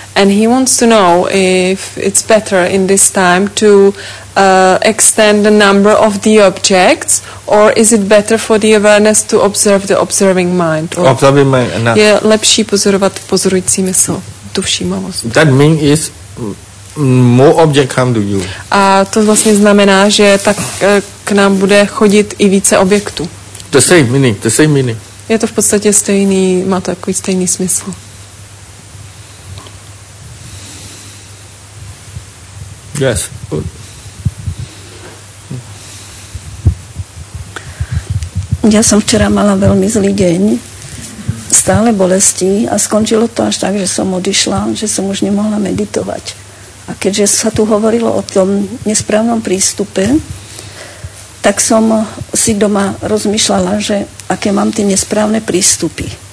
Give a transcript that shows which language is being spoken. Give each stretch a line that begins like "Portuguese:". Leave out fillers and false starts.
English: And he wants to know if it's better in this time to extend the number of the objects, or is it better for the awareness to observe the observing mind? Observing mind.
Czech: Je lepší pozorovat pozorující mysl, tu všímavost.
English: That means is more objects come to you.
Czech: A to vlastně znamená, že tak k nám bude chodit i více objektů.
English: The same meaning.
Czech: Je to v podstatě stejný, má to jako stejný smysl.
English: Yes.
Slovak: Já jsem včera mala velmi zlý deň, stále bolestí, a skončilo to až tak, že jsem odišla, že jsem už nemohla meditovat. A keďže se tu hovorilo o tom nesprávnom prístupe, tak som si doma rozmýšľala, že aké mám tie nesprávne prístupy.